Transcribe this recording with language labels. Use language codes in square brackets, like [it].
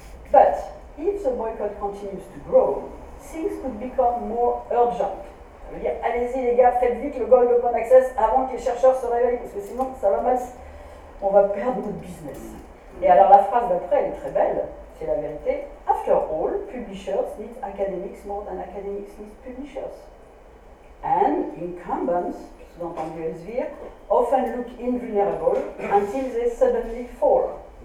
[en] But if the boycott continues to grow, things could become more urgent. [fr] Ça veut dire, allez-y les gars, faites vite le goal d'open access avant que les chercheurs se réveillent, parce que sinon ça va mal, on va perdre notre business. Et alors la phrase d'après, elle est très belle, c'est la vérité. [en] After all, publishers need academics more than academics need publishers. And incumbents, [fr] sous-entendu [en] Elsevier, often look invulnerable until they suddenly fall.